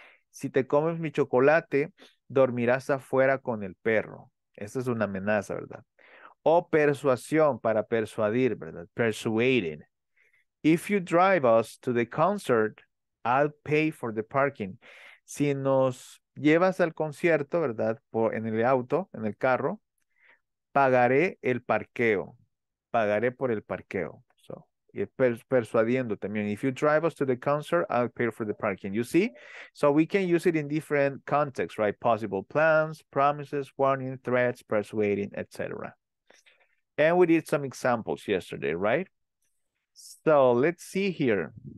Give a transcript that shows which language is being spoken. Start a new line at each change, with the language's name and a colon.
Spanish: Si te comes mi chocolate, dormirás afuera con el perro. Esa es una amenaza, ¿verdad? O persuasión, para persuadir, ¿verdad? Persuading.
English: If you drive us to the concert, I'll pay for the parking.
Spanish: Si nos llevas al concierto, ¿verdad? En el auto, en el carro, pagaré el parqueo. Pagaré por el parqueo. Y persuadiendo también.
English: If you drive us to the concert, I'll pay for the parking. You see? So we can use it in different contexts, right? Possible plans, promises, warning, threats, persuading, etc. And we did some examples yesterday, right? So let's see here.